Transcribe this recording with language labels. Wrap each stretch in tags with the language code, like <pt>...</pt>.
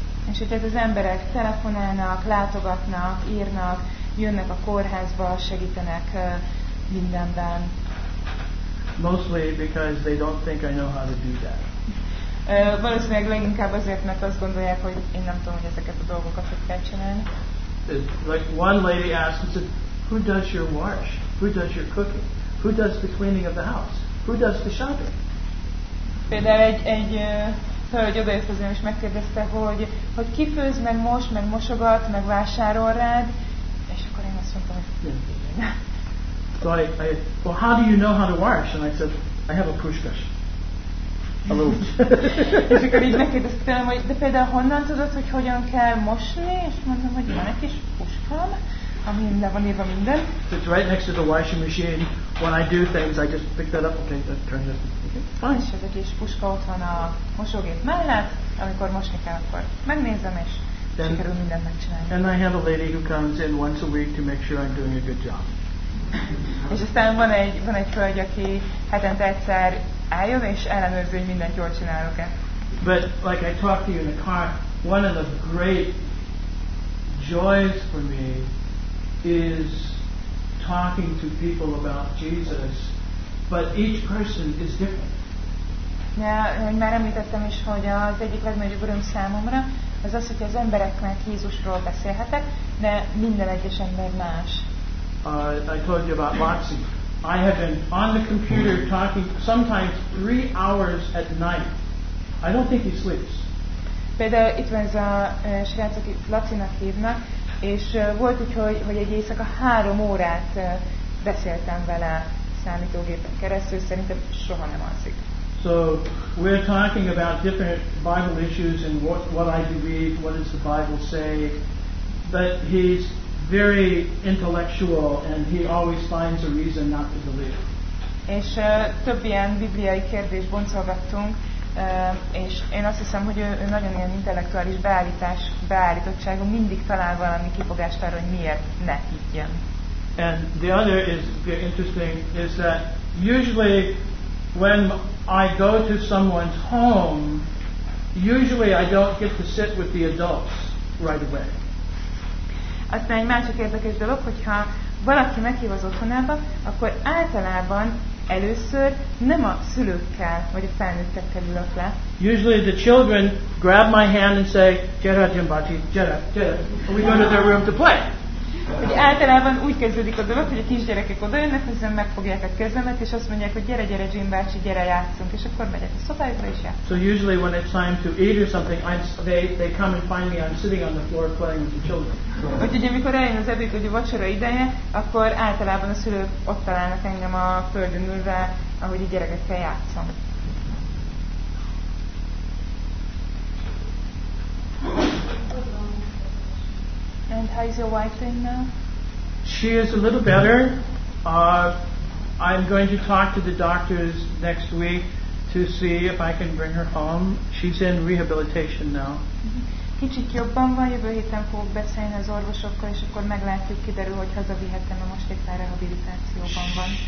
<hu>És hogy az emberek telefonálnak, látogatnak, írnak, jönnek a kórházba, segítenek mindenben.</hu> <en>Mostly because they don't think I know how to do that.</en> <hu>Valószínűleg leginkább azért, mert azt gondolják, hogy én nem tudom, hogy ezeket a dolgokat hogy kell csinálni.</hu> <en>Like one lady asked and said, who does your wash? Who does your cooking? Who does the cleaning of the house? Who does the shopping?</en> <hu>Például egy hölgy odajött hozzám és megkérdezte, hogy ki főz, meg most, meg mosogat, meg vásárol rád, és akkor én azt mondtam, hogy</hu> <en>So I well, how do you know how to wash? And I said, I have a Puskás.</en> <hu>És akkor így megkérdeztem, hogy de például honnan tudod, hogy hogyan kell mosni? És mondtam, hogy van egy kis puskám, amin le van írva minden.</hu> <en>It's right next to the washing machine. When I do things, I just pick that up. Okay, let's turn this. Fine.</en> <hu>És ez egy kis puska ott van a mosógép mellett, amikor mosni kell, akkor megnézem, és sikerül mindent megcsinálni.</hu> <en>And I have a lady who comes in once a week to make sure I'm doing a good job.</en> <hu>És aztán van egy hölgy, aki hetente egyszer eljön és ellenőrzi, hogy mindent jól csinálok-e.</hu> <en>But like I talked to you in the car, one of the great joys for me is talking to people about Jesus, but each person is different.</en> <hu>Ja, már említettem is, hogy az egyik legnagyobb öröm számomra az, hogy az embereknek Jézusról beszélhetek, de minden egyes ember más.</hu> <en>I told you about Moxie. I have been on the computer talking sometimes 3 hours at night. I don't think he sleeps.</en> <hu>Például itt van ez a srác, akit Laci-nak hívnak, és volt úgy, hogy egy éjszaka 3 órát beszéltem vele számítógépen keresztül, szerintem soha nem alszik.</hu> <en>So we're talking about different Bible issues and what I believe, what does the Bible say, but he's very intellectual and he always finds a reason not to believe.</en> <hu>És több ilyen bibliai kérdést boncolgattunk, és én azt hiszem, hogy ő nagyon ilyen intellektuális beállítottságú, mindig talál valami kifogást arra, hogy miért ne higgyen.</hu> <en>And the other is very interesting is that usually when I go to someone's home, usually I don't get to sit with the adults right away.</en> <hu>Aztán egy másik érdekes dolog, hogyha valaki meghív az otthonába, akkor általában először nem a szülőkkel vagy a felnőttekkel ülök le.</hu> <en>Usually the children grab my hand and say,</en> <hu>"Gyere, Jimbachi, gyere, gyere,</hu> <en>we go to their room to play."</en> <hu>Hogy általában úgy kezdődik a dolog, hogy a kisgyerekek odajönnek, hozzám megfogják a kezemet, és azt mondják, hogy gyere, Jimbachi, gyere, játszunk, és akkor megyek a szobájukra is játszunk.</hu> <en>So usually when it's time to eat or something, they come and find me, I'm sitting on the floor playing with the children.</en> <hu>Úgyhogy amikor eljön az ebéd, hogy a vacsora ideje, akkor általában a szülők ott találnak engem a földön ülve, ahogy a gyerekekkel játszom.</hu> <en>And how is your wife doing now? She is a little better. I'm going to talk to the doctors next week to see if I can bring her home. She's in rehabilitation now.</en> <hu>Kicsit jobban van, jövő héten fogok beszélni az orvosokkal, és akkor meglátjuk, kiderül, hogy hazavihetem, mert most éppen rehabilitációban van.</hu>